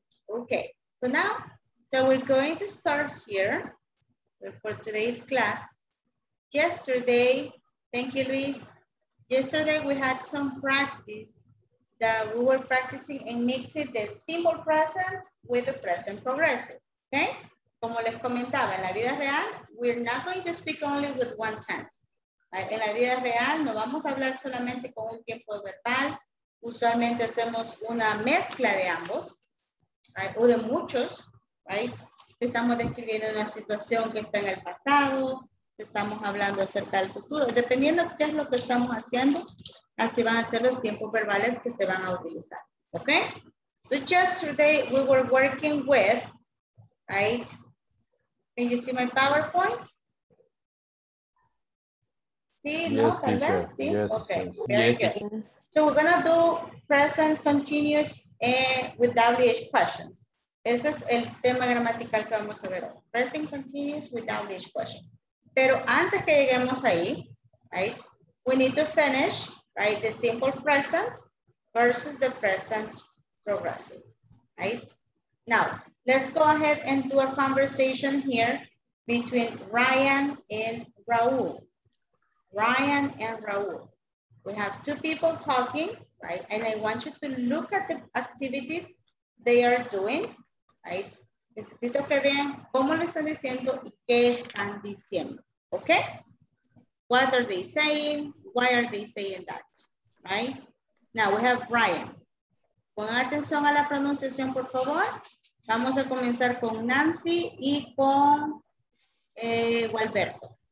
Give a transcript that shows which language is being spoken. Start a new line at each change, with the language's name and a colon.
English: Okay, so now, so we're going to start here for today's class. Yesterday, thank you, Luis. Yesterday, we had some practice that we were practicing and mixing the simple present with the present progressive, okay?
Spanish: Como les comentaba, en la vida real,
English: we're not going to speak only with one tense.
Spanish: En la vida real no vamos a hablar solamente con un tiempo verbal, usualmente hacemos una mezcla de ambos, right? O de muchos, right? Estamos describiendo una situación que está en el pasado, estamos hablando acerca del futuro, dependiendo qué es lo que estamos haciendo, así van a ser los tiempos verbales que se van a utilizar, ¿ok?
English: So yesterday we were working with, right? Can you see my PowerPoint?
Spanish: Sí,
English: yes, no, teacher.
Spanish: Sí,
English: yes, okay, yes. Very good. So we're gonna do present continuous with WH questions.
Spanish: Ese es el tema gramatical que vamos a ver hoy.
English: Present continuous with WH questions.
Spanish: Pero antes que lleguemos ahí,
English: right, we need to finish, right, the simple present versus the present progressive, right? Now, let's go ahead and do a conversation here between Ryan and Raul. Ryan and Raul. We have two people talking, right? And I want you to look at the activities they are doing, right?
Spanish: Necesito que vean cómo le están diciendo y qué están diciendo, okay?
English: What are they saying? Why are they saying that, right? Now we have Ryan.
Spanish: Pongan atención a la pronunciación, por favor. Vamos a comenzar con Nancy y con Gualberto.